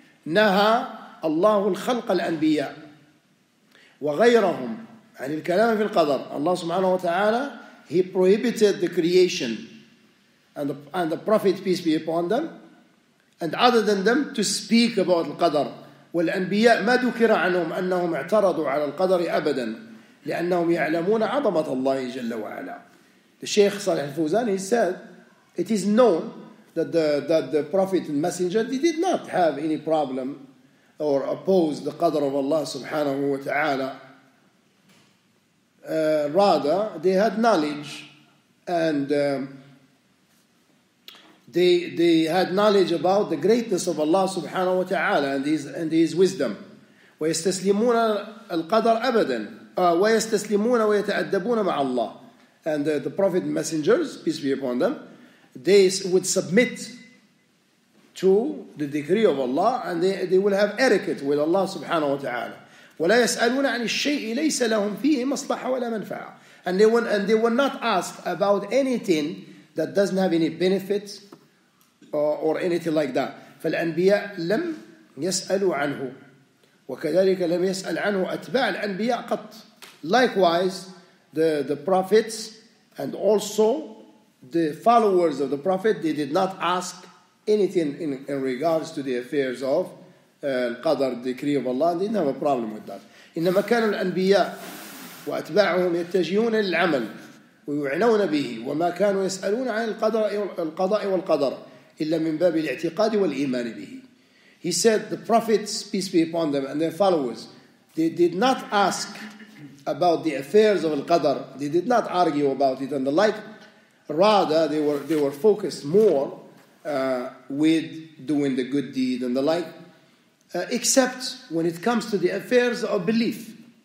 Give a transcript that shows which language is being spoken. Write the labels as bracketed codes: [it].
[ar] نَهَى اللَّهُ الْخَلْقَ الْأَنْبِيَاءَ وَغَيْرَهُمْ. عَنِ الْكَلَامِ فِي الْقَدَرِ. [en] Allah subhanahu wa ta'ala, he prohibited the creation and the Prophet, peace be upon them, and other than them, to speak about al-qadr. [ar] وَالْأَنْبِيَاءَ مَا دُكِرَ عَنُهُمْ أَنَّهُمْ اَعْتَرَضُوا عَلَى الْقَدَرِ أَبَدًا لِأَنَّهُمْ يَعْلَمُونَ عَظَمَةَ اللَّهِ جَلَّ وَعَلَى. [en] The Shaykh Salih al-Fawzan, he said, it is known that the Prophet and Messenger, they did not have any problem or oppose the Qadr of Allah subhanahu wa ta'ala. Rather, they had knowledge, and they had knowledge about the greatness of Allah subhanahu wa ta'ala and his wisdom. [ar] ويستسلمون القدر أبدا ويستسلمون ويتأدبون مع الله. [en] And the Prophet and messengers, peace be upon them, they would submit to the decree of Allah, and they will have etiquette with Allah subhanahu wa ta'ala. [ar] ولا يسألون عن الشيء ليس لهم فيه مصلحة ولا منفعة. [en] And they will not ask about anything that doesn't have any benefit or anything like that. [ar] فالأنبياء لم يسألوا عنه وكذلك لم يسأل عنه أتباع الأنبياء قط. [en] Likewise, the prophets and also the followers of the prophet, they did not ask anything in regards to the affairs of القدر, the decree of Allah. They didn't have a problem with that. [ar] إنما كان الأنبياء وأتباعهم يتجهون للعمل ويعنون به وما كانوا يسألون عن القضاء والقدر إلا من باب الاعتقاد والإيمان به. [en] He said the prophets, peace be upon them, and their followers, they did not ask about the affairs of al-qadr. They did not argue about it and the like. Rather, they were focused more with doing the good deed and the like, except when it comes to the affairs of belief.